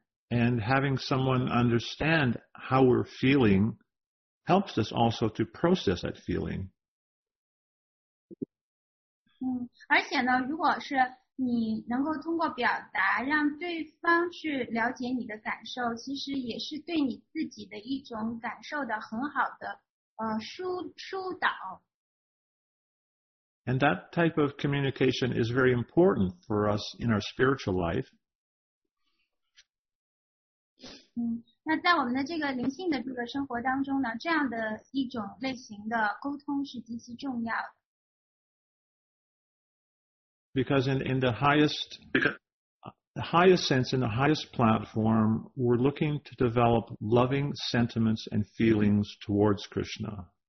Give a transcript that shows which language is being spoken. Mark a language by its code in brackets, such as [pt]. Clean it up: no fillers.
[en] And having someone understand how we're feeling helps us also to process that feeling. [zh] 而且呢，如果是你能够通过表达让对方去了解你的感受，其实也是对你自己的一种感受的很好的疏导。 [en] And that type of communication is very important for us in our spiritual life. [zh] 那在我们的这个灵性的这个生活当中呢，这样的一种类型的沟通是极其重要的。 [en] Because in the highest sense, in the highest platform, we're looking to develop loving sentiments and feelings towards Krishna.